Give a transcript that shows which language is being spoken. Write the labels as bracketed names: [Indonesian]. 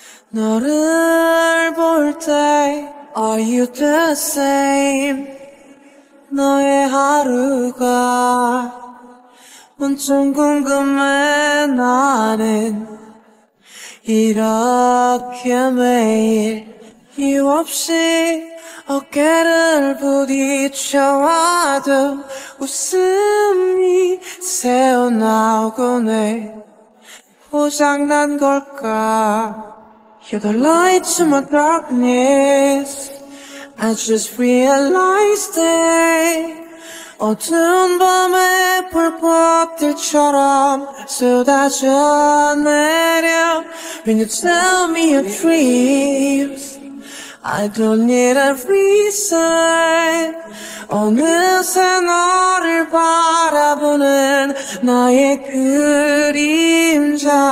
[Korean] 너를 볼 때 [English] Are you the same? [Korean] 너의 하루가 온통 궁금해. 나는 이렇게 매일 이유 없이 어깨를 부딪혀와도 웃음이 새어나오고 내 포장난 걸까. [English] You're the light to my darkness. I just realized it. [Korean] 어두운 밤에 불꽃들처럼 쏟아져 내려. [English] When you tell me your dreams, I don't need a reason. [Korean] 어느새 너를 바라보는 나의 그림자.